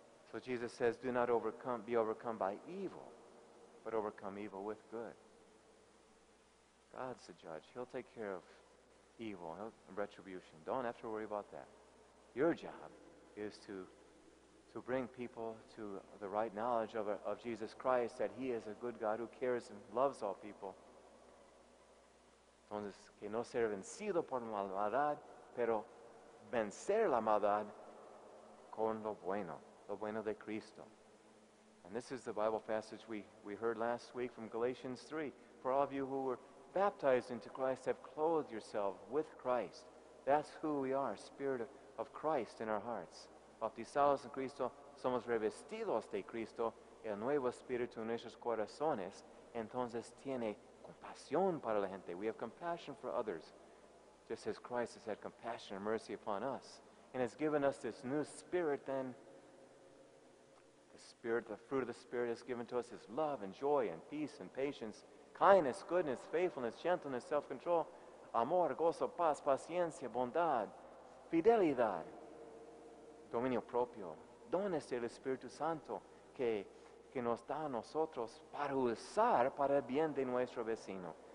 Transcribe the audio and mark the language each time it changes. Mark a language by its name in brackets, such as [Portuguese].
[English] So Jesus says, do not be overcome by evil, but overcome evil with good. God's the judge. He'll take care of evil and retribution. Don't have to worry about that. Your job is to bring people to the right knowledge of Jesus Christ, that he is a good God who cares and loves all people. [Spanish] Entonces, que no ser vencido por maldad, pero vencer la maldad con lo bueno de Cristo. [English] And this is the Bible passage we heard last week from Galatians 3. For all of you who were baptized into Christ have clothed yourself with Christ. That's who we are, spirit of Christ in our hearts. [Spanish] Bautizados en Cristo, somos revestidos de Cristo, el nuevo espíritu en nuestros corazones, entonces tiene compasión para la gente. [English] We have compassion for others, just as Christ has had compassion and mercy upon us, and has given us this new spirit. Then, the fruit of the Spirit has given to us is love and joy and peace and patience, kindness, goodness, faithfulness, gentleness, self-control, [Spanish] amor, gozo, paz, paciencia, bondad, fidelidad, dominio propio, dones del Espíritu Santo que nos da a nosotros para usar para el bien de nuestro vecino.